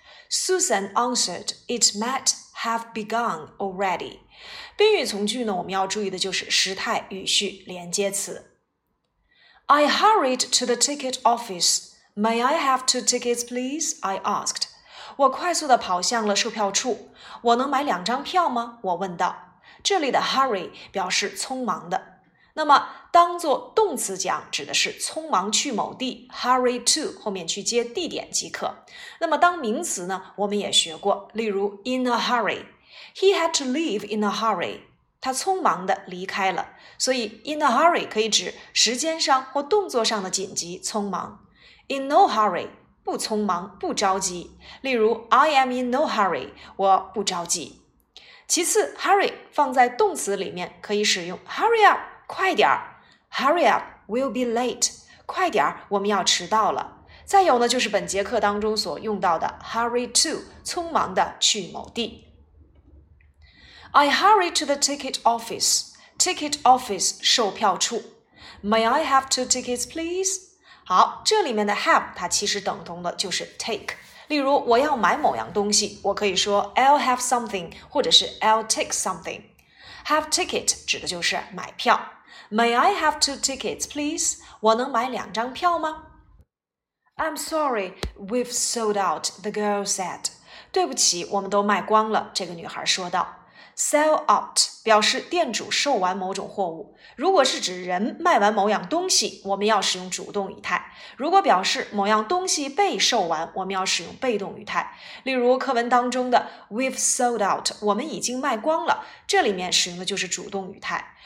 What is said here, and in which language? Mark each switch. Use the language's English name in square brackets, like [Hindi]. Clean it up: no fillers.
[English] Susan answered it might have begun already. [Chinese] 宾语从句呢，我们要注意的就是时态语序连接词。 [English] I hurried to the ticket office. May I have two tickets, please? I asked. [Chinese] 我快速地跑向了售票处。我能买两张票吗？我问道。这里的 hurry 表示匆忙的。那么当作动词讲，指的是匆忙去某地， hurry to 后面去接地点即可。那么当名词呢，我们也学过，例如 in a hurry， [English] he had to leave in a hurry， [Chinese] 他匆忙地离开了。所以 in a hurry 可以指时间上或动作上的紧急匆忙。 in no hurry， 不匆忙不着急，例如 [English] I am in no hurry， [Chinese] 我不着急。其次 hurry 放在动词里面可以使用 hurry up，快点儿 , [English] hurry up, we'll be late, [Chinese] 快点儿我们要迟到了。再有呢，就是本节课当中所用到的 hurry to, 匆忙的去某地。 [English] I hurry to the ticket office, ticket office, [Chinese] 售票处。 [English] May I have two tickets, please? [Chinese] 好，这里面的 have, 它其实等同的就是 take。例如我要买某样东西，我可以说 [English] I'll have something, [Chinese] 或者是 [English] I'll take something。 [Chinese] Have ticket 指的就是买票。 [English] May I have two tickets, please? [Chinese] 我能买两张票吗？ [English] I'm sorry, we've sold out, the girl said. [Chinese] 对不起，我们都卖光了，这个女孩说道。Sell out 表示店主售完某种货物。如果是指人卖完某样东西，我们要使用主动语态。如果表示某样东西被售完，我们要使用被动语态。例如课文当中的 [English] We've sold out， [Chinese] 我们已经卖光了，这里面使用的就是主动语态。